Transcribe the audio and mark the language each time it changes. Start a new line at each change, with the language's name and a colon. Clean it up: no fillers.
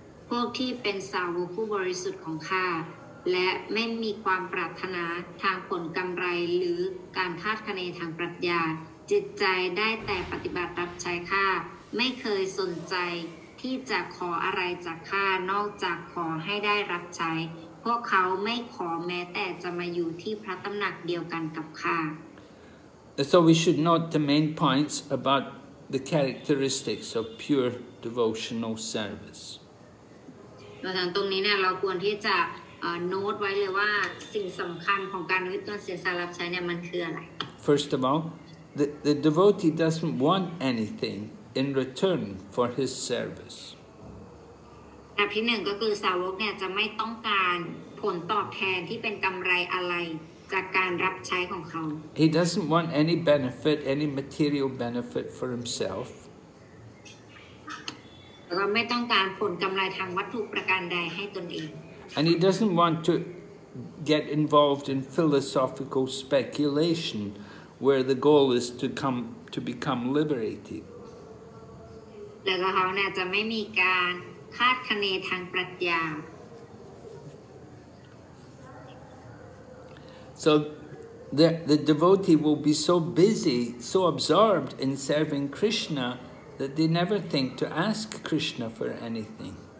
Thai: พวกที่เป็นสาวกผู้บริสุทธิ์ของข้าและไม่มีความปรารถนาทางผลกำไรหรือการคาดคะเนทางปรัชญาจิตใจได้แต่ปฏิบัติรับใช้ข้าไม่เคยสนใจที่จะขออะไรจากข้านอกจากขอให้ได้รับใช้พวกเขาไม่ขอแม้แต่จะมาอยู่ที่พระตำหนักเดียวกันกับข้า
English: So we should note the main points about the characteristics of pure devotional service
Thai: เราทางตรงนี้เนี่ยเราควรที่จะโน้ตไว้เลยว่าสิ่งสำคัญของการวิตรณ์เสียสารับใช้เนี่ยมันคืออะไร
English: First of all, the devotee doesn't want anything in return for his service.
Thai: แบบที่หนึ่งก็คือสาวกเนี่ยจะไม่ต้องการผลตอบแทนที่เป็นกำไรอะไรจากการรับใช้ของเขา
English: He doesn't want any benefit, any material benefit for himself.
Thai: เราไม่ต้องการผลกำไรทางวัตถุประการใดให้ตนเอง
English: And he doesn't want to get involved in philosophical speculation where the goal is to become liberated.
Thai: แล้วก็เขาเนี่ยจะไม่มีการคาดคะเนทางปรัชญา
English: So the devotee will be so busy, so absorbed in serving Krishna. That they never think to ask Krishna for anything.